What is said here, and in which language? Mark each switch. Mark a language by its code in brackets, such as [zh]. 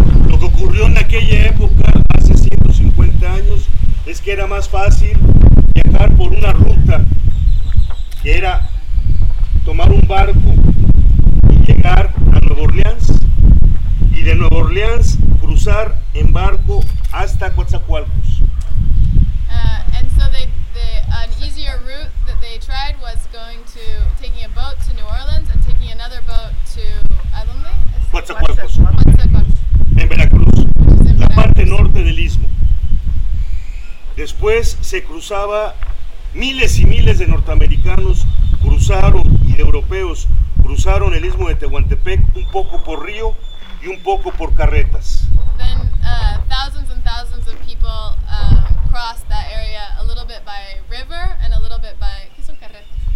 [es] Lo que ocurrió en aquella época, hace 150 años, es que era más fácil viajar por una ruta que era tomar un barco y llegar a Nueva Orleans, y de Nueva Orleans cruzar en barco hasta Coatzacoalcos. [en] And so an easier route that they tried was taking a boat to New Orleans and taking another boat to [es] Coatzacoalcos. En Veracruz, la parte norte del istmo. Después se cruzaba, miles y miles de norteamericanos cruzaron y de europeos cruzaron el istmo de Tehuantepec un poco por río y un poco por carretas. [en] Then thousands and thousands of people crossed that area a little bit by river and a little bit by, [es] ¿qué son carretas?